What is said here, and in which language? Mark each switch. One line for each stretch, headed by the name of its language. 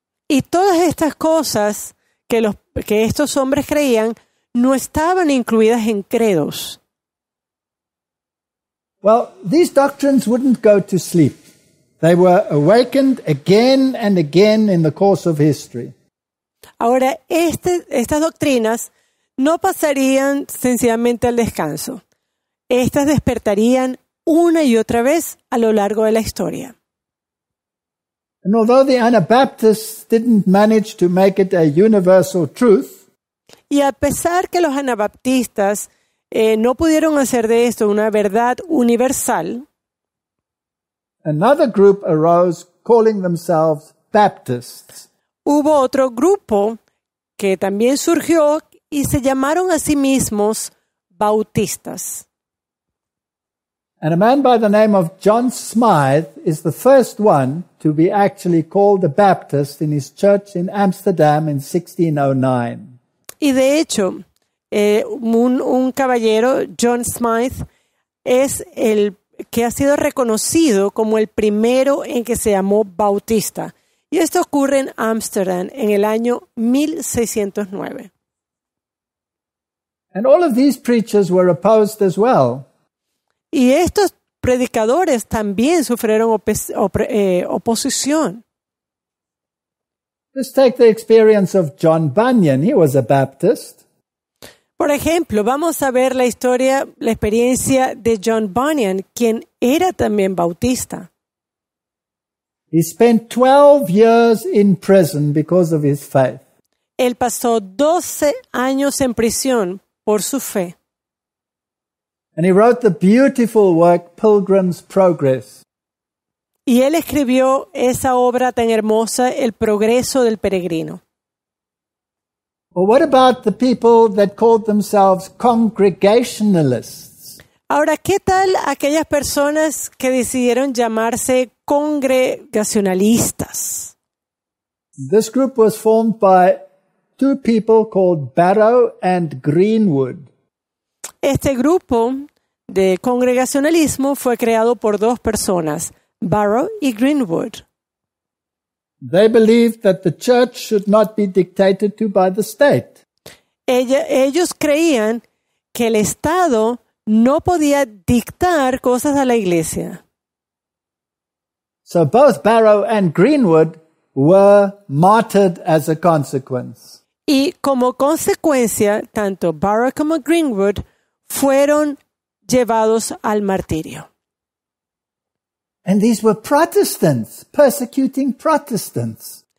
Spanish: Y todas estas cosas que estos hombres creían no estaban incluidas en credos.
English: Well, these doctrines wouldn't go to sleep. They were awakened again and again in the course of history.
Spanish: Ahora, estas doctrinas no pasarían sencillamente al descanso. Estas despertarían una y otra vez a lo largo de la historia.
English: And although the Anabaptists didn't manage to make it a universal truth,
Spanish: y a pesar que los anabaptistas no pudieron hacer de esto una verdad universal,
English: another group arose calling themselves Baptists.
Spanish: Hubo otro grupo que también surgió y se llamaron a sí mismos bautistas.
English: And a man by the name of John Smythe is the first one to be actually called a Baptist in his church in Amsterdam in 1609.
Spanish: Y de hecho, un caballero, John Smythe, es el que ha sido reconocido como el primero en que se llamó bautista. Y esto ocurre en Amsterdam en el año 1609.
English: And all of these preachers were opposed as well.
Spanish: Y estos predicadores también sufrieron oposición.
English: Just take the experience of John Bunyan. He was a Baptist.
Spanish: Por ejemplo, vamos a ver la historia, la experiencia de John Bunyan, quien era también bautista.
English: He spent 12 years in prison because of his faith.
Spanish: Él pasó 12 años en prisión por su fe.
English: And he wrote the beautiful work Pilgrim's Progress.
Spanish: Y él escribió esa obra tan hermosa, El Progreso del Peregrino.
English: Well, what about the people that called themselves Congregationalists?
Spanish: Ahora, ¿qué tal aquellas personas que decidieron llamarse congregacionalistas?
English: This group was formed by two people called Barrow and Greenwood.
Spanish: Este grupo de congregacionalismo fue creado por dos personas, Barrow y Greenwood.
English: They believed that the church should not be dictated to by the state.
Spanish: Ellos creían que el Estado no podía dictar cosas a la iglesia.
English: So both Barrow and Greenwood were martyred as a consequence.
Spanish: Y como consecuencia, tanto Barrow como Greenwood fueron llevados al martirio.
English: And these were Protestants, persecuting Protestants.